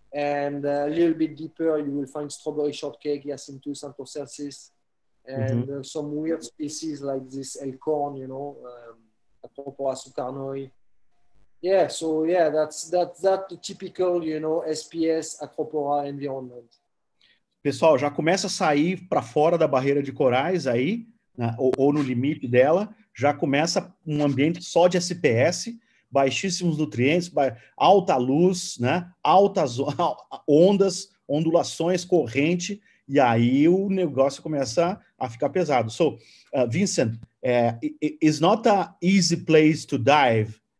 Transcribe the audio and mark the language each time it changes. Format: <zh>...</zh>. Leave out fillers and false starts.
<en>And a little bit deeper you will find strawberry shortcake, Hyacinthus anthocercis, and some weird species like this elkhorn, you know, acropora sucarnoi. Yeah, so yeah, that's the typical, you know, SPS acropora environment.</en> <pt>Pessoal, já começa a sair para fora da barreira de corais aí, né, ou no limite dela, já começa um ambiente só de SPS, baixíssimos nutrientes, alta luz, né, altas ondas, ondulações, corrente, e aí o negócio começa a ficar pesado.</pt> <en>So, Vincent, it's not an easy place to dive.</en>